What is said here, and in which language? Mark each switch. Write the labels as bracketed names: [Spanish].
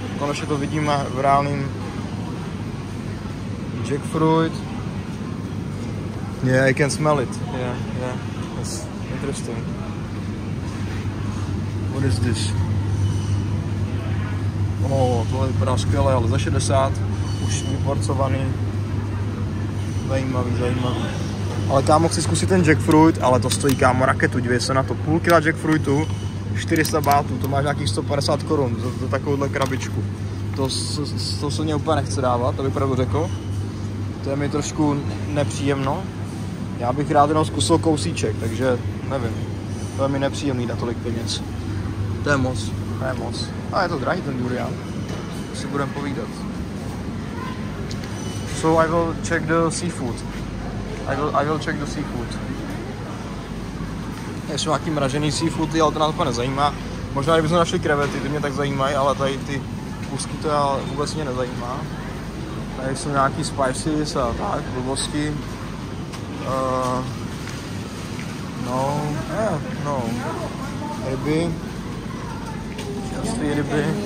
[Czech] Konečně to vidíme v reálným jackfruit. [English] Yeah, I can smell it. Yeah, that's interesting. What is this? [Czech] Oh, tohle vypadá skvěle, ale za 60. Už vyporcovaný. Zajímavý. Ale kámo, chci zkusit ten jackfruit, ale to stojí kámo raketu. Dívej se na to, půl kila jackfruitu. 400 bátů, to máš nějakých 150 korun za takovouhle krabičku. To se mě úplně nechce dávat, to bych pravdu řekl. To je mi trošku nepříjemno. Já bych rád jenom zkusil kousíček, takže nevím. To je mi nepříjemný na tolik peněz. To je moc. A je to drahý ten durian. Si budem povídat. [English] So I will check the seafood. I will check the seafood. [Czech] Je to nějaký mražený seafood, ale to nás úplně nezajímá. Možná kdybychom našli krevety, ty mě tak zajímají, ale tady ty kusky to vůbec mě nezajímá. Tady jsou nějaký spices a tak, blbosti. No. Ryby. Čerstvý ryby.